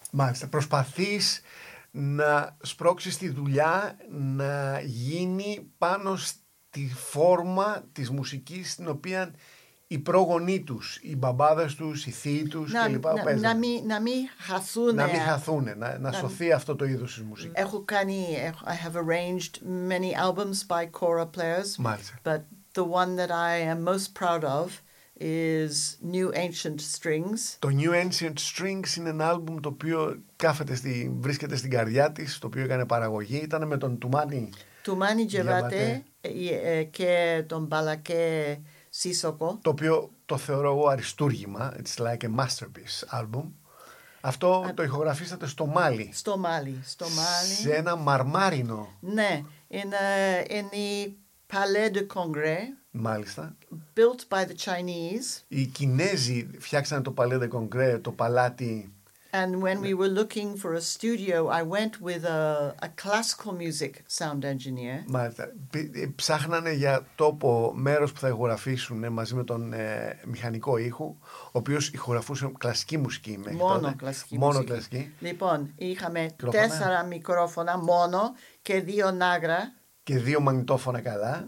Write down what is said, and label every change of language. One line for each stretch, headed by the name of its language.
Greek: Μάλιστα, προσπαθείς να σπρώξεις τη δουλειά να γίνει πάνω στη φόρμα της μουσικής στην οποία οι πρόγονοί τους, οι μπαμπάδες τους, οι θείοι τους κλπ. Να μην χαθούν, να σωθεί αυτό το είδος της μουσικής.
English: I have arranged many albums by choral players.
Greek: Μάλιστα.
English: But the one that I am most proud of is New Ancient Strings.
Greek: Το New Ancient Strings είναι ένα άλμπουμ το οποίο βρίσκεται στην καρδιά της, το οποίο έκανε παραγωγή. Ήταν με τον Τουμάνι. Τουμάνι Τζεβάτε και τον Μπαλακέ Σίσοκο. Το οποίο το θεωρώ εγώ αριστούργημα.
English: It's like a masterpiece album.
Greek: Αυτό το ηχογραφήσατε στο Μάλι. Στο Μάλι. Στο Μάλι. Σε ένα μαρμάρινο. Ναι. Είναι η Palais de Congrès. Μάλιστα.
English: Built by the Chinese.
Greek: Οι Κινέζοι φτιάξαν το Palais de Congrès, το παλάτι.
English: And when we were looking for a studio, I went with a classical music sound engineer.
Greek: Μάλιστα. Ψάχνανε για τόπο, μέρος που θα ηχογραφήσουν μαζί με τον μηχανικό ήχου, ο οποίος ηχογραφούσε κλασική μουσική μέχρι μόνο τότε. Κλασική μόνο μουσική. Κλασική. Λοιπόν, είχαμε μικρόφωνα. 4 μικρόφωνα μόνο και 2 Nagra. Και 2 μαγνητόφωνα καλά.